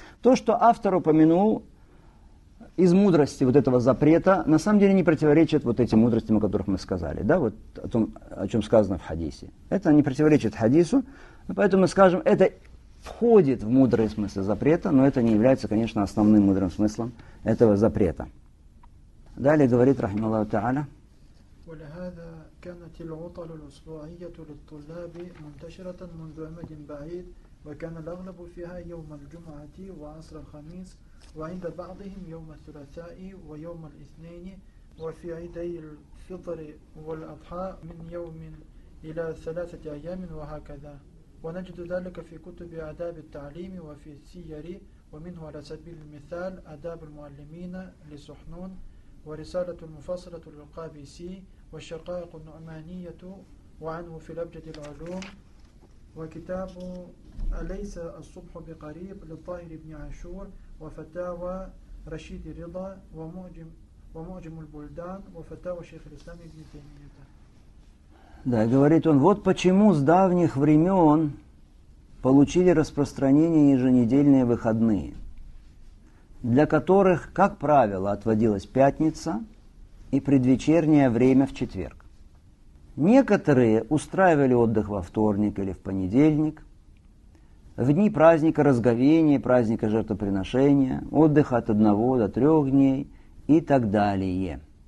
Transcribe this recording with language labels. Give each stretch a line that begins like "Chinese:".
Russian: То, что автор упомянул из мудрости вот этого запрета, на самом деле не противоречит вот этим мудростям, о которых мы сказали. Да, вот о том, о чем сказано в хадисе. Это не противоречит хадису. Поэтому мы скажем, это входит в мудрый смысл запрета, но это не является, конечно, основным мудрым смыслом этого запрета. Далее говорит, рахмаллаху тааля,
Arabic: ولهذا كانت العطل الأسبوعية للطلاب منتشرة منذ أمد بعيد وكان الأغلب فيها يوم الجمعة وعصر الخميس وعند بعضهم يوم الثلاثاء ويوم الاثنين وفي عيدي الفطر والأضحى من يوم إلى ثلاثة أيام وهكذا ونجد ذلك في كتب آداب التعليم وفي السير ومنه على سبيل المثال آداب المعلمين لسحنون ورسالة المفصلة للقابسي والشقائق النعمانية وعنه في الأبجد العلوم وكتاب أليس الصبح بقريب للطاهر بن عاشور وفتاوى رشيد رضا ومعجم البلدان وفتاوى شيخ الإسلام ابن تيمية.
Russian: Да, говорит он, вот почему с давних времен получили распространение еженедельные выходные, для которых, как правило, отводилась пятница и предвечернее время в четверг. Некоторые устраивали отдых во вторник или в понедельник, в дни праздника Разговения, праздника жертвоприношения, отдых от одного до трех дней и так далее.